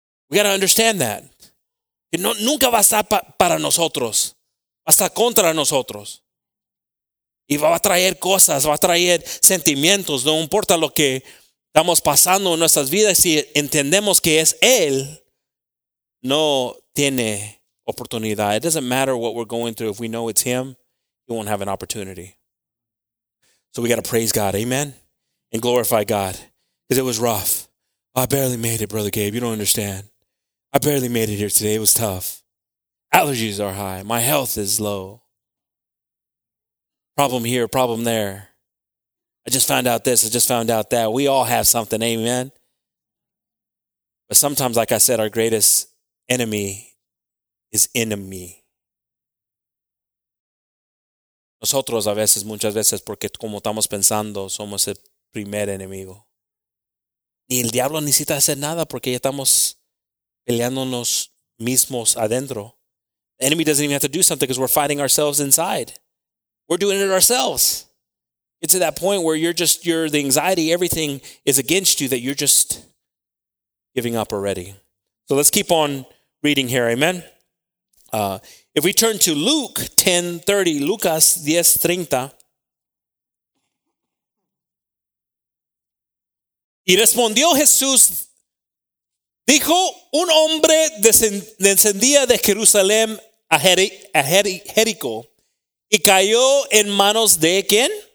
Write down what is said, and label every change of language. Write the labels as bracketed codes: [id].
[en] We got to understand that. [es] Que no, nunca va a estar para nosotros. Va a estar contra nosotros. Y va a traer cosas, va a traer sentimientos. No importa lo que estamos pasando en nuestras vidas. Si entendemos que es Él, no tiene oportunidad. [en] It doesn't matter what we're going through. If we know it's him, we won't have an opportunity. So we got to praise God. Amen. And glorify God. Because it was rough. I barely made it, Brother Gabe. You don't understand. I barely made it here today. It was tough. Allergies are high. My health is low. Problem here, problem there. I just found out this. I just found out that. We all have something. Amen. But sometimes, like I said, our greatest enemy is in me. [es] Nosotros a veces, muchas veces, porque como estamos pensando, somos el primer enemigo. Ni el diablo necesita hacer nada porque ya estamos peleándonos mismos adentro. [en] The enemy doesn't even have to do something because we're fighting ourselves inside. We're doing it ourselves. It's at that point where you're the anxiety, everything is against you, that you're just giving up already. So let's keep on reading here, amen? If we turn to [es] Lucas 10:30, y respondió Jesús, dijo un hombre descendía de Jerusalén a Jericó y cayó en manos de ¿quién?